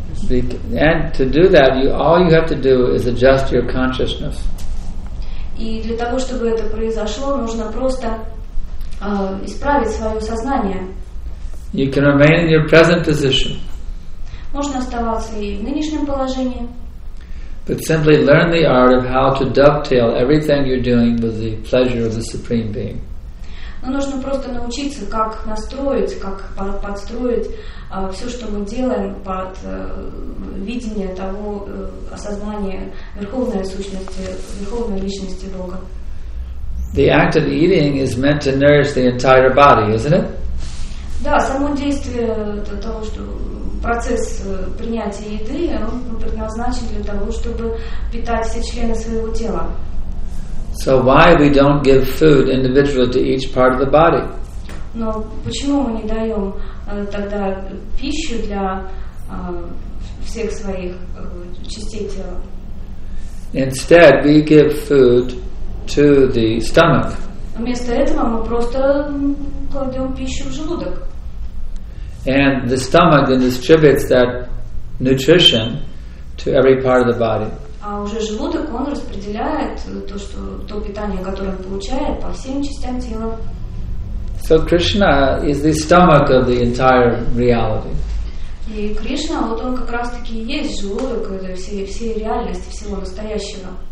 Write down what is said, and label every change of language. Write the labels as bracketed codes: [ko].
[en] And to do that, all you have to do is adjust your consciousness. [ru] И для того, чтобы это произошло, нужно просто исправить свое сознание. [en] You can remain in your present position. [ru] Можно оставаться и в нынешнем положении. [en] But simply learn the art of how to dovetail everything you're doing with the pleasure of the Supreme Being. [ru] Но нужно просто научиться, как настроить, как подстроить все, что мы делаем под видение того осознания Верховной Сущности, Верховной Личности Бога. [en] The act of eating is meant to nourish the entire body, isn't it? [ru] Да, само действие того, что процесс принятия еды, он предназначен для того, чтобы питать все члены своего тела. [en] So why we don't give food individually to each part of the body? [ru] Но почему мы не даем тогда пищу для всех своих частей тела? [en] Instead, we give food to the stomach. [ru] Вместо этого мы просто кладем пищу в желудок. [en] And the stomach then distributes that nutrition to every part of the body. [ru] А уже желудок, он распределяет то, что, то питание, которое он получает, по всем частям тела. [en] So Krishna is the stomach of the entire reality. [ru] И Кришна, вот он как раз-таки и есть желудок всей, всей реальности, всего настоящего.